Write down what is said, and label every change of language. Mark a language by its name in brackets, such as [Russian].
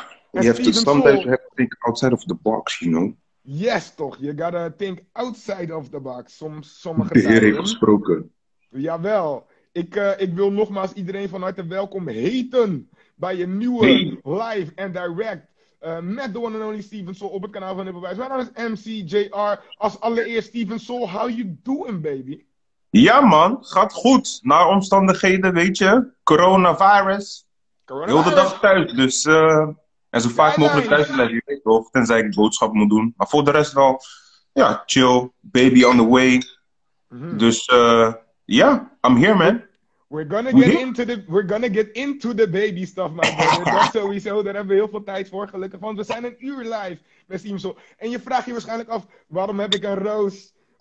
[English] You have to sometimes think outside of the box, you know. Yes, toch. You gotta think outside of the box. Sommige [Dutch] de heer heeft gesproken. Jawel. Ik wil nogmaals iedereen van harte welkom heten bij een nieuwe live en direct. Met de one and only Steven Sol op het kanaal van Nippelwijs. Mijn naam is MCJR. Als allereerst Steven Sol, [English] how you doing, baby? [Dutch] Ja, man. Gaat goed. Naar omstandigheden, weet je. Coronavirus. Heel de dag thuis, dus... En zo vaak mogelijk thuis blijven, je weet toch. Tenzij ik boodschappen moet doen. Maar voor de rest wel, ja, chill. [English] Baby on the way. Mm-hmm. [Dutch] Dus, [English] I'm here, man. We're gonna get into the baby stuff, my brother. [Dutch] Dat sowieso, daar hebben we heel veel tijd voor, gelukkig. Want we zijn een uur live met Steamsol. En je vraagt je waarschijnlijk af, waarom heb ik een roos?